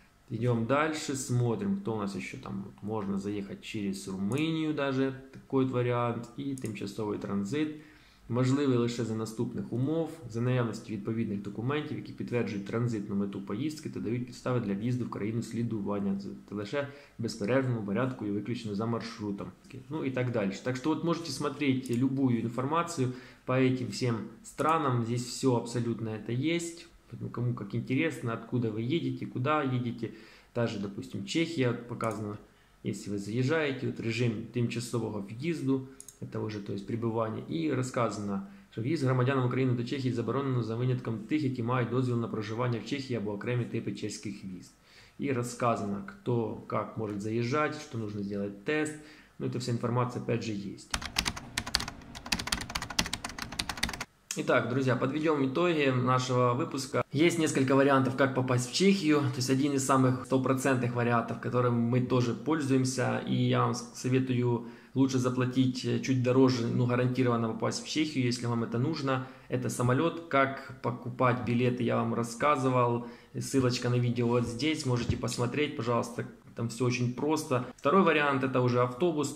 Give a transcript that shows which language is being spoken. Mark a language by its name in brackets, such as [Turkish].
[Ukrainian] Йдемо далі, смотримо, хто у нас ще там. Можна заїхати через Румунію, навіть такий от варіант, і тимчасовий транзит. Можливий лише за наступних умов, за наявності відповідних документів, які підтверджують транзитну мету поїздки та дають підстави для в'їзду в країну слідування, та лише в безперервному порядку і виключно за маршрутом. Ну і так далі. [Russian] Так що от можете смотрети любую інформацію по этим всім странам, здесь все абсолютно это есть. Кому как интересно, откуда вы едете, куда едете. Даже, допустим, Чехия показана, если вы заезжаете, вот [Ukrainian] режим тимчасового в'їзду. Того же, тобто прибування, і розказано, що в'їзд громадян України до Чехії заборонено за винятком тих, які мають дозвіл на проживання в Чехії або окремі типи чеських віз. І розказано, хто як може заїжджати, що потрібно зробити тест. Ну, це вся інформація, опять же, є. І так, друзі, підведемо ітоги нашого випуску. Є кілька варіантів, як попасть в Чехію. Тобто один із самих 100% варіантів, яким ми теж пользуємося. [Russian] І я вам советую лучше заплатить чуть дороже, ну, гарантированно попасть в Чехию, если вам это нужно. Это самолет. Как покупать билеты, я вам рассказывал. Ссылочка на видео вот здесь. Можете посмотреть, пожалуйста. Там все очень просто. Второй вариант – это уже автобус.